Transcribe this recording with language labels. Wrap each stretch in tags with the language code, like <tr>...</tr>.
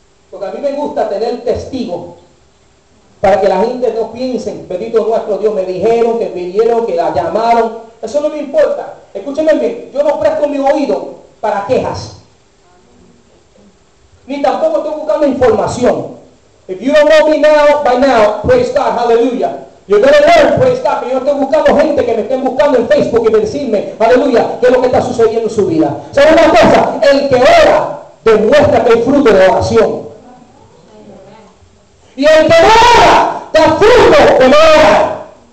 <es>Porque a mí me gusta tener testigo para que la gente no piense, bendito nuestro Dios, me dijeron, que vinieron, que la llamaron. Eso no me importa. Escúchenme bien, yo no presto mi oído para quejas. Ni tampoco estoy buscando información.</es> <en>If you don't know me now, by now, praise God, hallelujah. You're going to learn, praise God,</en> <es>que yo estoy buscando gente que me estén buscando en Facebook y me decirme, aleluya, qué es lo que está sucediendo en su vida. ¿Sabe una cosa? El que ora, demuestra que hay fruto de oración. Y el que ora, da fruto de ora.</es>